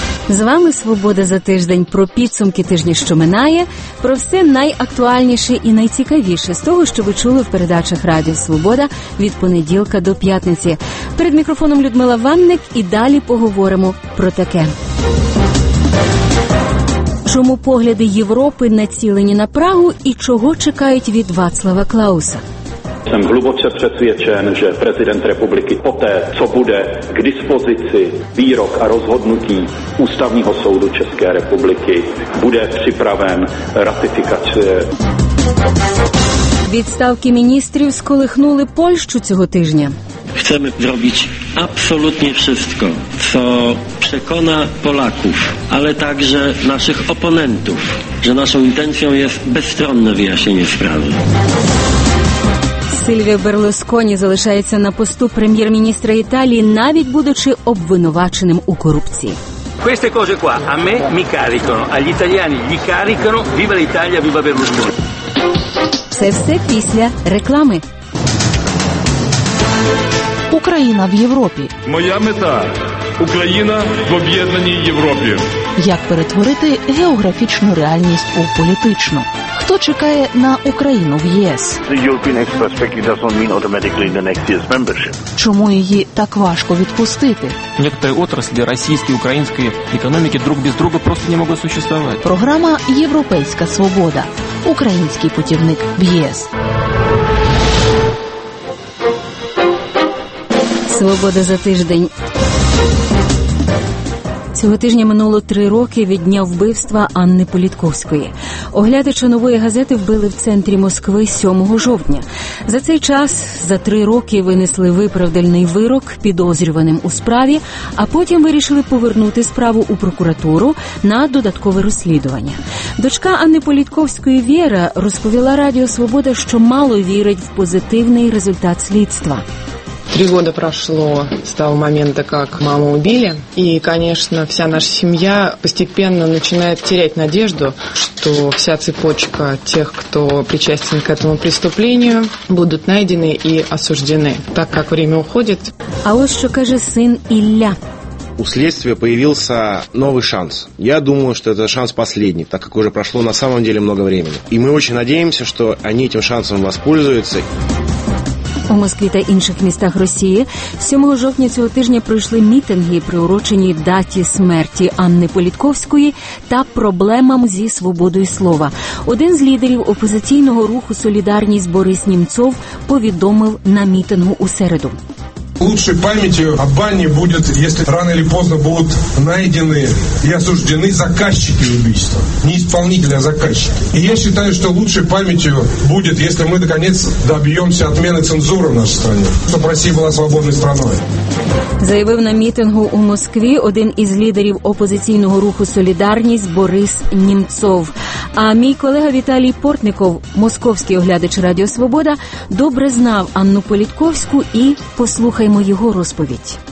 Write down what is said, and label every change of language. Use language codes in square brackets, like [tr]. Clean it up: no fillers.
[uk] З вами «Свобода за тиждень» про підсумки тижня, що минає, про все найактуальніше і найцікавіше з того, що ви чули в передачах «Радіо Свобода» від понеділка до п'ятниці. Перед мікрофоном Людмила Ванник і далі поговоримо про таке. Чому погляди Європи націлені на Прагу і чого чекають від Вацлава Клауса? [cs] Jsem hluboce přesvědčen, že prezident republiky poté, co bude k dispozici výrok a rozhodnutí Ústavního soudu České republiky, bude připraven ratifikaci. [uk] Відставки міністрів сколихнули Польщу цього тижня. [pl] Chcemy zrobić absolutnie wszystko, co przekona Polaków, ale także naszych oponentów, że naszą intencją jest bezstronne wyjaśnienie sprawy. [uk] Сильвія Берлусконі залишається на посту прем'єр-міністра Італії, навіть будучи обвинуваченим у корупції. [it] Queste cose qua a me mi caricano, agli italiani li caricano. Viva l'Italia, viva Berlusconi. [uk] Це все після реклами. Україна в Європі. Моя мета – Україна в об'єднаній Європі. Як перетворити географічну реальність у політичну? Хто чекає на Україну в ЄС? [en] The European Expo Speaking doesn't mean automatically the next year's membership. [uk] Чому її так важко відпустити? Некоторі отраслі російської, української економіки друг без друга просто не можуть существувати. Програма «Європейська свобода». Український путівник в ЄС. Свобода за тиждень. Цього тижня минуло 3 роки від дня вбивства Анни Політковської. Оглядача нової газети вбили в центрі Москви 7 жовтня. За цей час, за 3 роки, винесли виправдальний вирок підозрюваним у справі, а потім вирішили повернути справу у прокуратуру на додаткове розслідування. Дочка Анни Політковської Віра розповіла Радіо Свобода, що мало вірить в позитивний результат слідства. [ru] 3 года прошло с того момента, как маму убили. И, конечно, вся наша семья постепенно начинает терять надежду, что вся цепочка тех, кто причастен к этому преступлению, будут найдены и осуждены, так как время уходит. А вот что кажет сын Илья. У следствия появился новый шанс. Я думаю, что это шанс последний, так как уже прошло на самом деле много времени. И мы очень надеемся, что они этим шансом воспользуются. [uk] У Москві та інших містах Росії 7 жовтня цього тижня пройшли мітинги, приурочені даті смерті Анни Політковської та проблемам зі свободою слова. Один з лідерів опозиційного руху «Солідарність» Борис Німцов повідомив на мітингу у середу. [ru] Лучшей памятью об Анне будет, если рано или поздно будут найдены и осуждены заказчики убийства. Не исполнители, а заказчики. И я считаю, что лучшей памятью будет, если мы, наконец, добьемся отмены цензуры в нашей стране. Чтобы Россия была свободной страной. [uk] Заявив на мітингу у Москві один із лідерів опозиційного руху «Солідарність» Борис Німцов. А мій колега Віталій Портников, московський оглядач Радіо Свобода, добре знав Анну Політковську і послухаймо його розповідь.